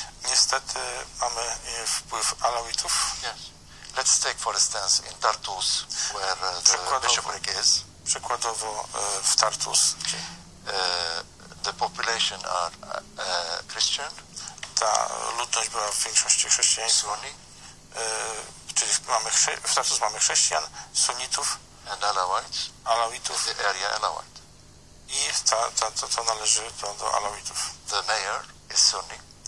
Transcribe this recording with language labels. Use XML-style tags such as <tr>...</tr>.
<pl>niestety mamy wpływ alawitów.</pl> <en>Yes. Let's take for instance in Tartus, where the bishopric is.</en> <pl>Przykładowo w Tartus.</pl> <en>The population are Christian.</en> <pl>Ta ludność była w większości chrześcijańska.</pl> <en>Sunni.</en> <pl>Czyli mamy w Tartus mamy chrześcijan, sunnitów.</pl> <en>And alawites.</en> <pl>Alawitów.</pl> <en>The area alawite.</en> <pl>I to należy do alawitów.</pl> <en>The mayor is Sunni.</en>